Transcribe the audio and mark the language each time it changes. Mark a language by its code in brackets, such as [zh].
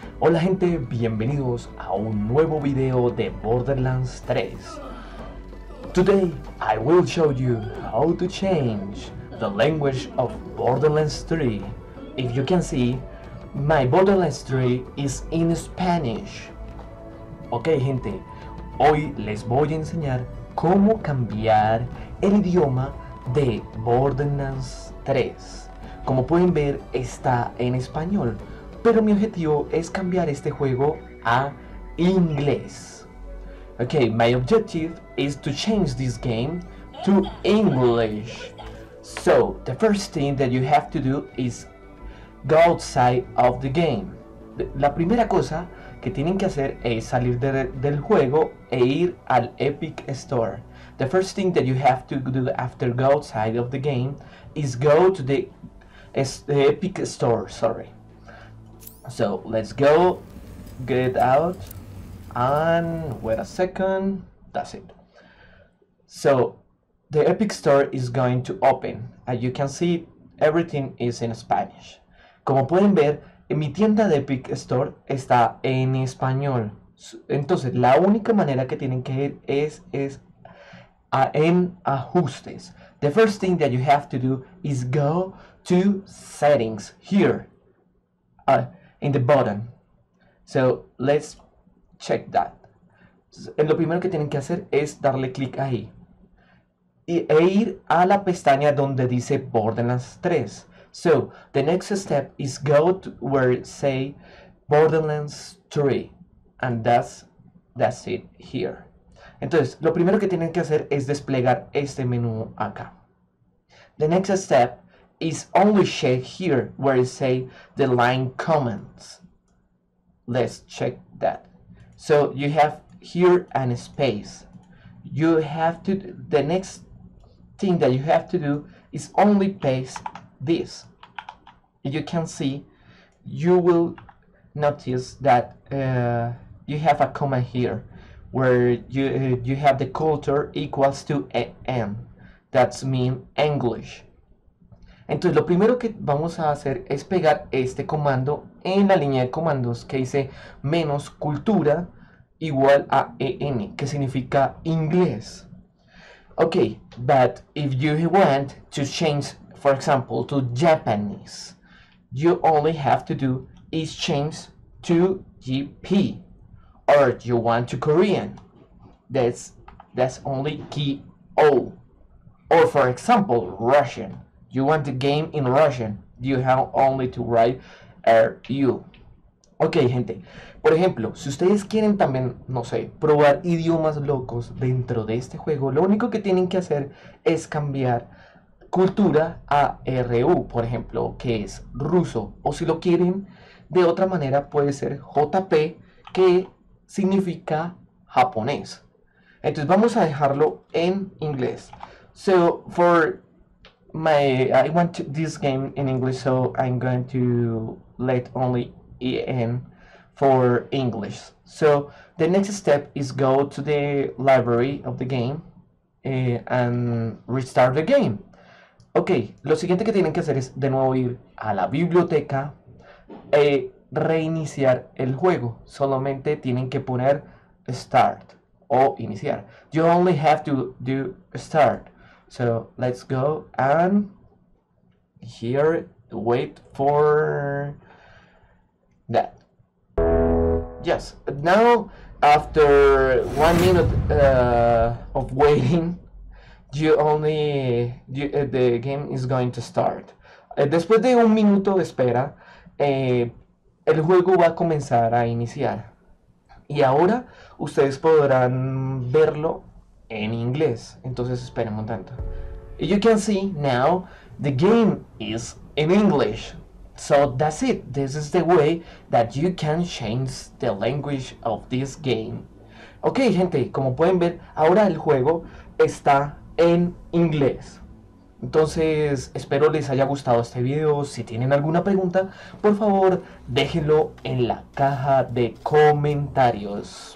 [es] Hola gente, bienvenidos a un nuevo video de Borderlands 3. [en] Today I will show you how to change the language of Borderlands 3. If you can see, my Borderlands 3 is in Spanish. [es] Ok gente, hoy les voy a enseñar cómo cambiar el idioma de Borderlands 3. Como pueden ver, está en español, pero mi objetivo es cambiar este juego a inglés. [en] Okay, my objective is to change this game to English. So, the first thing that you have to do is go outside of the game. [es] La primera cosa que tienen que hacer es salir del juego e ir al Epic Store. [en] The first thing that you have to do after go outside of the game is go to the Epic Store, sorry. So, let's go, get out, and wait a second, that's it. So, the Epic Store is going to open. As you can see, everything is in Spanish. [es] Como pueden ver, mi tienda de Epic Store está en español. Entonces, la única manera que tienen que ir es en ajustes. [en] The first thing that you have to do is go to settings here in the bottom. So let's check that. [es] Lo primero que tienen que hacer es darle clic ahí e ir a la pestaña donde dice Borderlands 3. [en] So the next step is go to where it say Borderlands 3, and that's it here. [es] Entonces, lo primero que tienen que hacer es desplegar este menú acá. [en] The next step is only check here where it say the line comments. Let's check that. So you have here a space. You have to, the next thing that you have to do is only paste this. You can see, you will notice that you have a comma here, where you have the culture equals to AN. That means English. [es] Entonces, lo primero que vamos a hacer es pegar este comando en la línea de comandos que dice menos cultura igual a AN, que significa inglés. [en] Okay, but if you want to change, for example, to Japanese, you only have to do is change to GP. Or you want to Korean, that's only key O. Or for example, Russian. You want the game in Russian, you have only to write RU. [es] Ok gente, por ejemplo, si ustedes quieren también, no sé, probar idiomas locos dentro de este juego, lo único que tienen que hacer es cambiar cultura a RU, por ejemplo, que es ruso. O si lo quieren de otra manera, puede ser JP, que significa japonés. Entonces vamos a dejarlo en inglés. [en] So for my, I want to, this game in English, so I'm going to let only EN for English. So the next step is go to the library of the game and restart the game. [es] Okay, lo siguiente que tienen que hacer es de nuevo ir a la biblioteca e reiniciar el juego. Solamente tienen que poner start o iniciar. [en] You only have to do start. So let's go and here wait for that. Yes, now after 1 minute of waiting, the game is going to start. [es] Después de un minuto de espera, el juego va a comenzar a iniciar. Y ahora ustedes podrán verlo en inglés. Entonces esperen un tanto. [en] You can see now the game is in English. So that's it. This is the way that you can change the language of this game. [es] Ok gente, como pueden ver, ahora el juego está en inglés. Entonces, espero les haya gustado este video. Si tienen alguna pregunta, por favor, déjenlo en la caja de comentarios.